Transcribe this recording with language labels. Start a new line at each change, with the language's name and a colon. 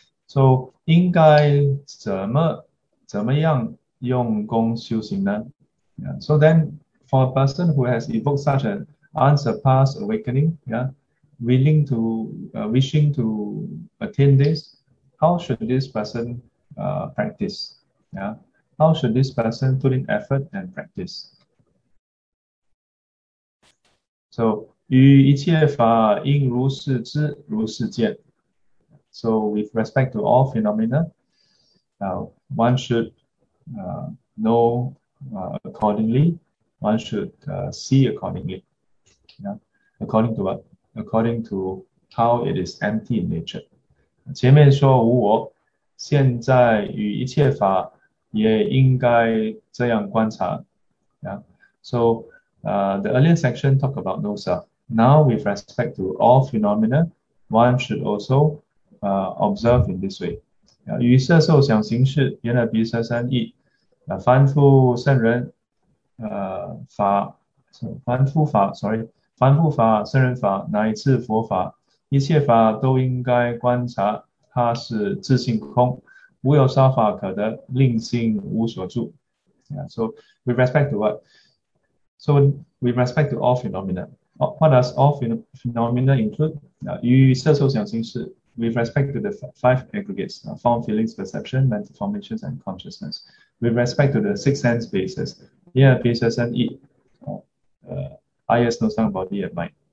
Chinese: So 应该怎么样用功修行呢？ Yeah.
English: So then, for a person who has evoked such an unsurpassed awakening, yeah, wishing to attain this, how should this person practice? Yeah, how should this person put in effort and practice?
Chinese: So, 于一切法应如是知如是见.
English: So, with respect to all phenomena, one should know accordingly. One should see accordingly, yeah? According to what? According to how it is empty in nature.
Chinese: 前面说无我，现在与一切法也应该这样观察，yeah?
English: So, the earlier section talk about no self. Now, with respect to all phenomena, one should also observe in this way.
Chinese: 于色受想行识，缘耳鼻舌身意。凡夫圣人，法，凡夫法，sorry，凡夫法、圣人法乃至佛法，一切法都应该观察，它是自性空，无有说法可得，令心无所住。
English: So with respect to what? So with respect to all phenomena, what does all phenomena include?
Chinese: 于色受想行识。
English: With respect to the five aggregates, form, feelings, perception, mental formations, and consciousness. With respect to the six sense bases, ear, pierces, and eat, eyes, nose, tongue, body, and mind.